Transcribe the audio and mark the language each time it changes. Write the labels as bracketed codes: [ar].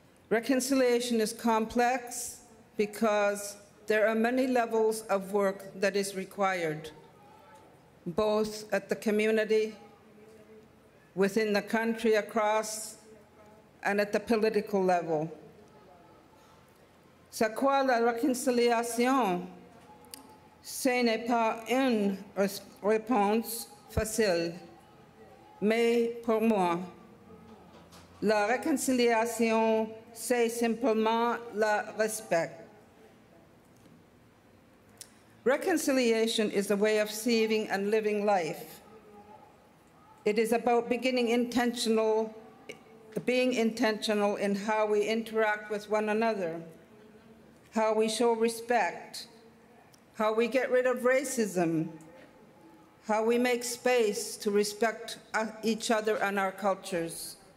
[en] Reconciliation is complex because there are many levels of work that is required, both at the community, within the country across, and at the political level. [fr] Ça quoi la réconciliation? Ce n'est pas une réponse facile, mais pour moi, la réconciliation, c'est simplement le respect. [en] Reconciliation is a way of seeing and living life. It is about being intentional in how we interact with one another, how we show respect, how we get rid of racism, how we make space to respect each other and our cultures.